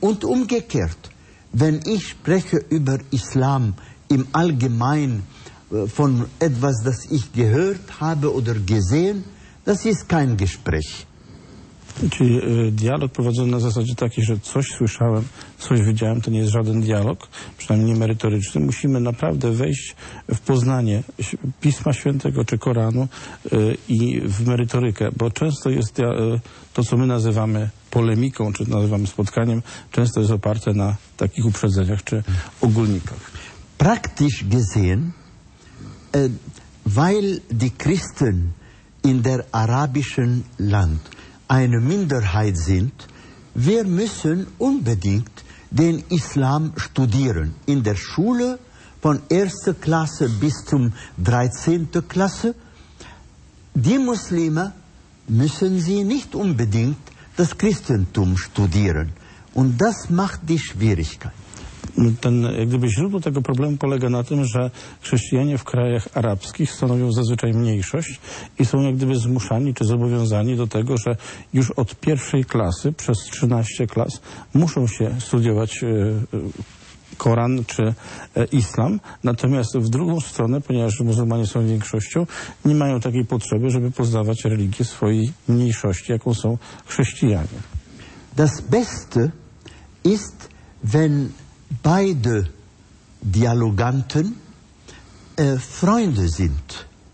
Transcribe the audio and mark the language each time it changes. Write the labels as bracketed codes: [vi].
[de] Und umgekehrt, wenn ich spreche über Islam im Allgemeinen von etwas, das ich gehört habe oder gesehen, das ist kein Gespräch. [pl] Czyli dialog prowadzony na zasadzie takiej, że coś słyszałem, coś widziałem, to nie jest żaden dialog, przynajmniej nie merytoryczny. Musimy naprawdę wejść w poznanie Pisma Świętego czy Koranu i w merytorykę, bo często jest to, co my nazywamy polemiką, czy nazywamy spotkaniem, często jest oparte na takich uprzedzeniach czy ogólnikach. [de] Praktisch gesehen, weil die Christen in der arabischen Land eine Minderheit sind, wir müssen unbedingt den Islam studieren. In der Schule, von 1. Klasse bis zum 13. Klasse. Die Muslime müssen sie nicht unbedingt das Christentum studieren. Und das macht die Schwierigkeit. [pl] Ten, jak gdyby źródło tego problemu polega na tym, że chrześcijanie w krajach arabskich stanowią zazwyczaj mniejszość i są jak gdyby zmuszani czy zobowiązani do tego, że już od pierwszej klasy przez 13 klas muszą się studiować Koran czy Islam. Natomiast w drugą stronę, ponieważ muzułmanie są większością, nie mają takiej potrzeby, żeby poznawać religię swojej mniejszości, jaką są chrześcijanie. [de] Das Beste ist, wenn beide Dialoganten Freunde sind.